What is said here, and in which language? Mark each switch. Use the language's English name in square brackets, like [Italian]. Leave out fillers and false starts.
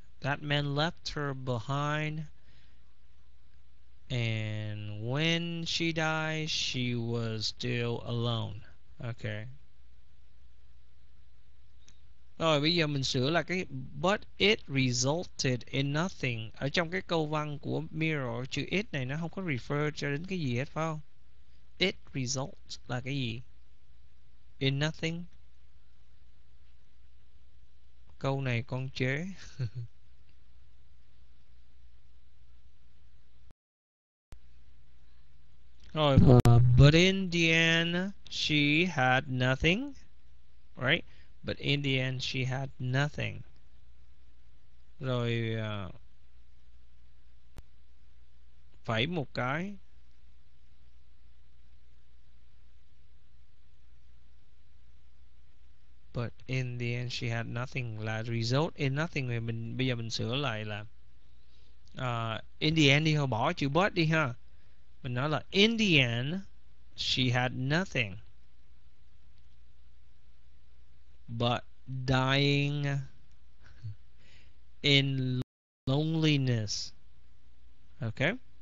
[English] That man left her behind, and when she died, she was still alone. Okay. [Vietnamese] Rồi bây giờ mình sửa là cái [English] but it resulted in nothing. [Vietnamese] Ở trong cái câu văn của mirror, chữ it này nó không có refer cho đến cái gì hết phải không? [English] It result [Vietnamese] là cái gì? [English] In nothing. [Vietnamese] Câu này con chế. [English] Rồi but in the end she had nothing. Right? But in the end, she had nothing. [Vietnamese] Rồi phải một cái. [English] But in the end, she had nothing. Là result in nothing. [Vietnamese] Mình bây giờ mình sửa lại là [English] in the end [Vietnamese] đi, thôi bỏ chữ but đi ha. Mình nói là [English] in the end, she had nothing. But dying in loneliness. Okay.